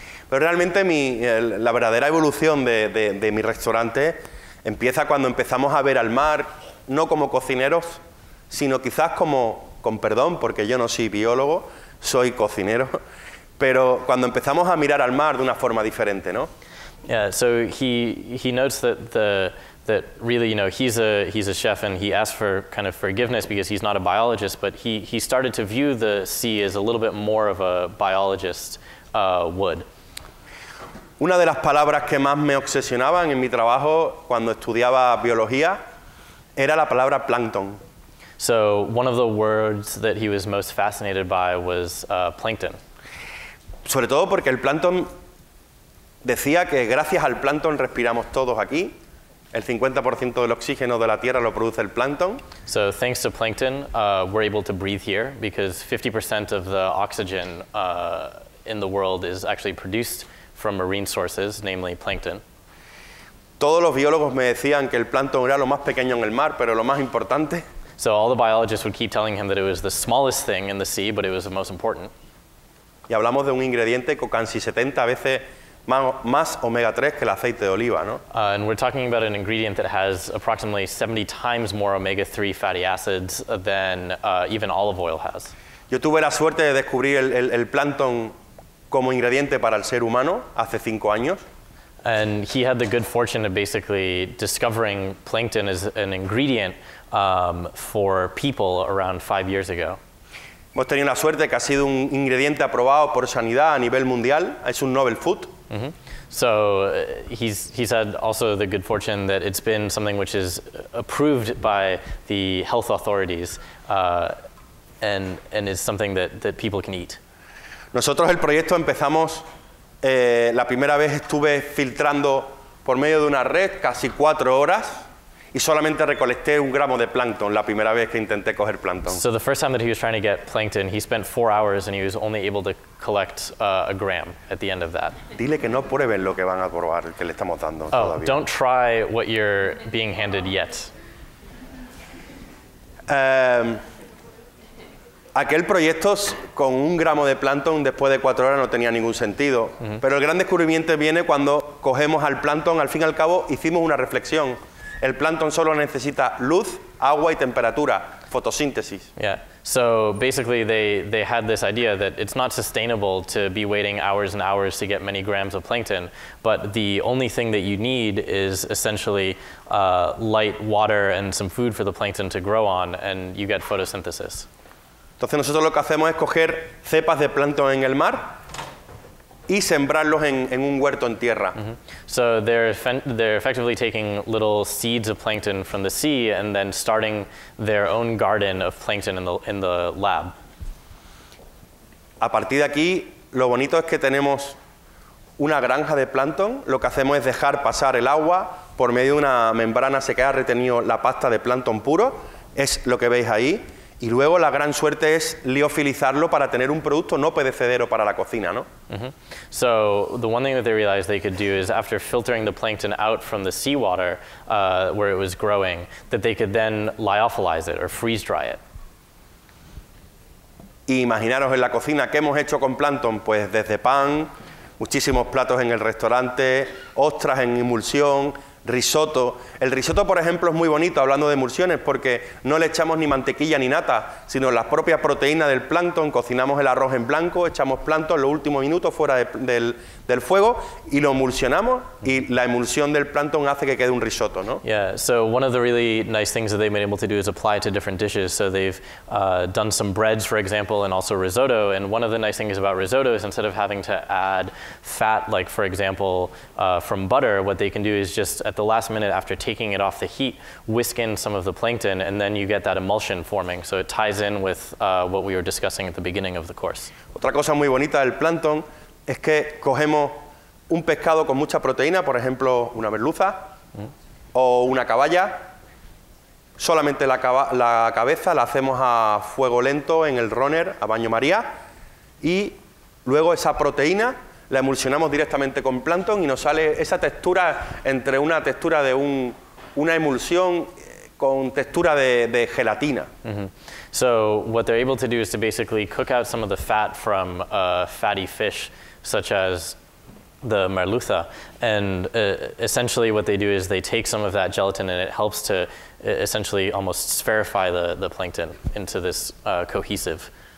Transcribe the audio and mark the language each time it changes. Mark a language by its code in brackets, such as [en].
[es] Pero realmente la verdadera evolución de mi restaurante empieza cuando empezamos a ver al mar, no como cocineros, sino quizás como, con perdón, porque yo no soy biólogo, soy cocinero, pero cuando empezamos a mirar al mar de una forma diferente, ¿no? [en] Yeah, so he notes that really, you know, he's a chef and he asked for kind of forgiveness because he's not a biologist, but he started to view the sea as a little bit more of a biologist would. [es] Una de las palabras que más me obsesionaban en mi trabajo cuando estudiaba biología era la palabra plancton. [en] So, one of the words that he was most fascinated by was plancton. [es] Sobre todo porque el plancton decía que gracias al plancton respiramos todos aquí. El 50% del oxígeno de la Tierra lo produce el plancton. [en] So, thanks to plankton, we're able to breathe here because 50% of the oxygen in the world is actually produced from marine sources, namely plankton. [es] Todos los biólogos me decían que el plancton era lo más pequeño en el mar, pero lo más importante. [en] So all the biologists would keep telling him that it was the smallest thing in the sea, but it was the most important. [es] Y hablamos de un ingrediente con casi 70 veces más omega 3 que el aceite de oliva, ¿no? [en] And we're talking about an ingredient that has approximately 70 times more omega 3 fatty acids than even olive oil has. [es] Yo tuve la suerte de descubrir el plancton como ingrediente para el ser humano hace 5 años. [en] And he had the good fortune of basically discovering plankton as an ingredient for people around 5 years ago. [es] Hemos tenido la suerte que ha sido un ingrediente aprobado por sanidad a nivel mundial. Es un novel food. Mm-hmm. [en] So he's had also the good fortune that it's been something which is approved by the health authorities and is something that people can eat. [es] Nosotros el proyecto empezamos. La primera vez estuve filtrando por medio de una red casi 4 horas y solamente recolecté 1 gramo de plancton la primera vez que intenté coger plancton. [en] So the first time that he was trying to get plankton, he spent 4 hours and he was only able to collect a gram at the end of that. [es] Dile que no prueben lo que van a probar, que le estamos dando todavía. [en] Oh, don't try what you're being handed yet. [es] Aquel proyecto con 1 gramo de plancton después de 4 horas no tenía ningún sentido. Mm-hmm. Pero el gran descubrimiento viene cuando cogemos al plancton, al fin y al cabo hicimos una reflexión. El plancton solo necesita luz, agua y temperatura, fotosíntesis. [en] Yeah, so basically they had this idea that it's not sustainable to be waiting hours and hours to get many grams of plankton, but the only thing that you need is essentially light, water and some food for the plankton to grow on and you get photosynthesis. [es] Entonces nosotros lo que hacemos es coger cepas de plancton en el mar y sembrarlos en un huerto en tierra. Mm-hmm. [en] So they're effectively taking little seeds of plankton from the sea and then starting their own garden of plankton in the lab. [es] A partir de aquí, lo bonito es que tenemos una granja de plancton. Lo que hacemos es dejar pasar el agua por medio de una membrana, se queda retenido la pasta de plancton puro. Es lo que veis ahí. Y luego la gran suerte es liofilizarlo para tener un producto no perecedero para la cocina, ¿no? Mm-hmm. [en] So the one thing that they realized they could do is after filtering the plankton out from the seawater where it was growing, that they could then lyophilize it or freeze dry it. [es] Y imaginaros en la cocina qué hemos hecho con plancton, pues desde pan, muchísimos platos en el restaurante, ostras en emulsión. Risotto. El risotto, por ejemplo, es muy bonito, hablando de emulsiones, porque no le echamos ni mantequilla ni nata, sino la propia proteína del plancton. Cocinamos el arroz en blanco, echamos plancton en los últimos minutos fuera del fuego y lo emulsionamos, y la emulsión del plancton hace que quede un risotto, ¿no? [en] Yeah, so one of the really nice things that they've been able to do is apply it to different dishes. So they've done some breads, for example, and also risotto. And one of the nice things about risotto is instead of having to add fat, like for example, from butter, what they can do is just at the last minute after taking it off the heat, whisk in some of the plankton, and then you get that emulsion forming. So it ties in with what we were discussing at the beginning of the course. [es] Otra cosa muy bonita del plancton es que cogemos un pescado con mucha proteína, por ejemplo, una merluza o una caballa. Solamente la cabeza la hacemos a fuego lento en el runner, a baño maría, y luego esa proteína la emulsionamos directamente con plancton y nos sale esa textura entre una textura de una emulsión con textura de gelatina. Mm-hmm. [en] So what they're able to do is to basically cook out some of the fat from a fatty fish such as the merluza, and essentially what they do is they take some of that gelatin and it helps to essentially almost spherify the plankton into this cohesive.